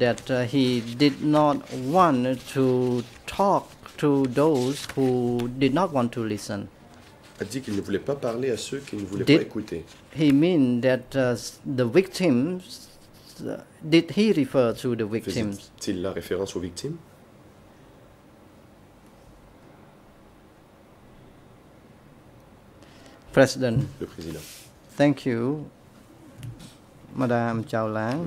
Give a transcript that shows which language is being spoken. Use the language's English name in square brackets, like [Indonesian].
[English] that he did not want to talk to those who did not want to listen. [French] A dit qu'il ne voulait pas parler à ceux qui ne voulaient pas écouter. [English] He mean that the victims, did he refer to the victims? [French] Faisait-il la référence aux victimes? [English] President. [French] Le président. [English] Thank you, Madame Chao Lang.